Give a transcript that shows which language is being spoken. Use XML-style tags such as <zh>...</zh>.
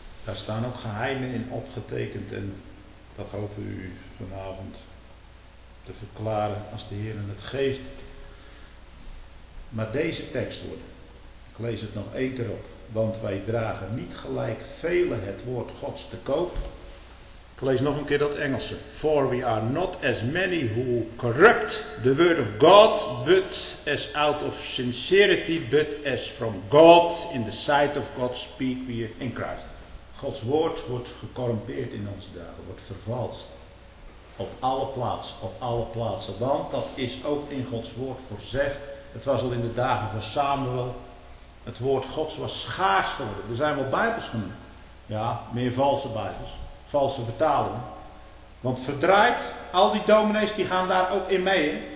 <nl>Daar staan ook geheimen in opgetekend en dat hopen we u vanavond te verklaren als de Heer het geeft. Maar deze tekst worden, ik lees het nog één keer op. Want wij dragen niet gelijk velen het woord Gods te koop. Ik lees nog een keer dat Engelse.</nl> <en>For we are not as many who corrupt the word of God, but as out of sincerity, but as from God, in the sight of God, speak we in Christ.</en> <nl>Gods woord wordt gecorrumpeerd in onze dagen, wordt vervalst. Op alle plaatsen. Want dat is ook in Gods woord voorzegd. Het was al in de dagen van Samuel. Het woord Gods was schaars geworden. Er zijn wel Bijbels genoemd. Ja, meer valse Bijbels. Valse vertalingen. Want verdraaid, al die dominees die gaan daar ook in mee. Hè?</nl>